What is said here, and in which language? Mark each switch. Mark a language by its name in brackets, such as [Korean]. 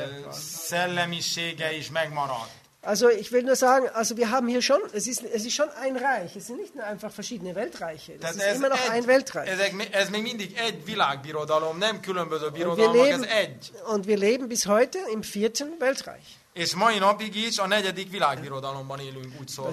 [Hungarian] szellemisége is megmaradt. [German] Also ich will nur sagen, also wir haben hier schon, es ist schon ein Reich, es sind nicht nur einfach verschiedene Weltreiche, es ist immer noch ein Weltreich. [Hungarian] Ez még mindig egy világbirodalom, nem különböző birodalmak, ez egy. [German] Und wir leben bis heute im vierten Weltreich. [Hungarian] És mai napig is a negyedik világbirodalomban élünk, úgy szólván.